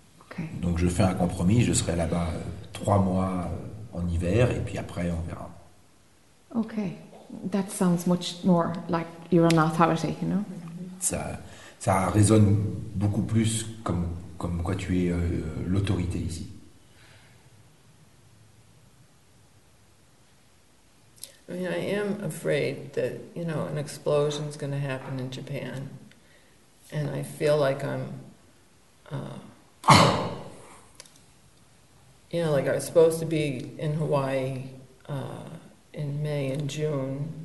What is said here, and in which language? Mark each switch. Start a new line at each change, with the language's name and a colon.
English: Okay.
French: Donc je fais un compromis. Je serai là-bas 3 mois en hiver et puis après on verra.
English: Okay. That sounds much more like you're an authority, you know?
French: Ça résonne beaucoup plus comme quoi tu es l'autorité ici.
English: I mean, I am afraid that, you know, an explosion is going to happen in Japan. And I feel like I'm... you know, like I was supposed to be in Hawaii in May and June...